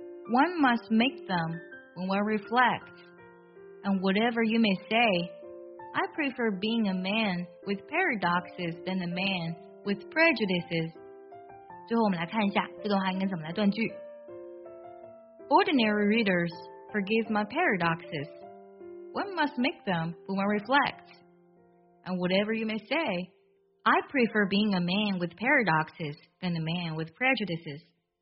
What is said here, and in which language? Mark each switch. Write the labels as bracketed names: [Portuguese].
[English] One must make them when one reflects. And whatever you may say, I prefer being a man with paradoxes than a man with prejudices. [Chinese] 最后我们来看一下这段话应该怎么来断句。 [English] Ordinary readers forgive my paradoxes. One must make them when one reflects. And whatever you may say,I prefer being a man with paradoxes than a man with prejudices.